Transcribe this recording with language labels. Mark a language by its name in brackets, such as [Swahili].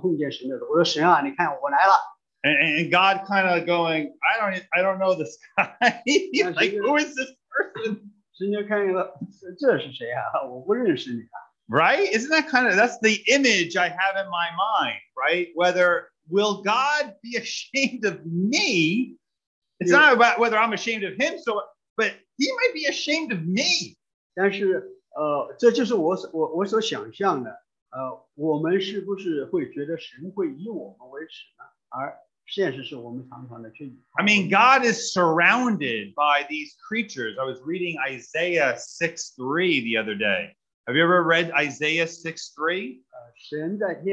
[Chinese] 我就想想啊，就是思想，这么一个情形。当我到天上碰见神的时候，我说：“神啊，你看我来了。” [English] And God kind of going, I don't know this guy. Like, who is this person? [Chinese] 神就看一个，这是谁啊？我不认识你啊。 [English] Right? Isn't that kind of that's the image I have in my mind, right? Whether will God be ashamed of me? It's not about whether I'm ashamed of Him, so, but He might be ashamed of me. [Chinese] 但是 这就是我所想象的，我们是不是会觉得神会以我们为耻呢？而现实是我们常常的去。 [English] I mean, God is surrounded by these creatures. I was reading Isaiah 6:3 the other day. Have you ever read Isaiah 6:3?